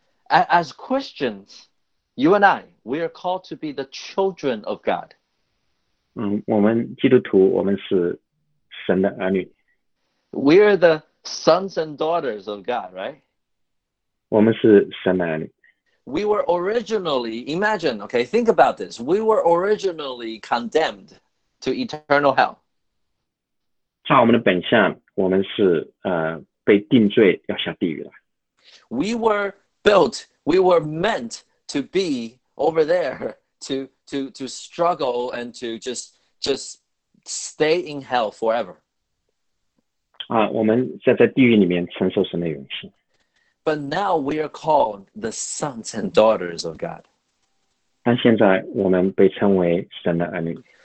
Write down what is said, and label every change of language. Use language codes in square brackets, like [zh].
[en] As Christians, you and I, we are called to be the children of God. [zh] 我们基督徒，我们是神的儿女。 [en] We are the sons and daughters of God, right? [zh] 我们是神的儿女。 [en] We were originally, imagine, okay, think about this. We were originally condemned to eternal hell. [zh] 照我们的本相，我们是被定罪要下地狱的。 [en] We were built, we were meant to be over there, to struggle and to just stay in hell forever. [zh] 我们在地狱里面承受神的永生。 [en] But now we are called the sons and daughters of God. [zh] 但现在我们被称为神的儿女。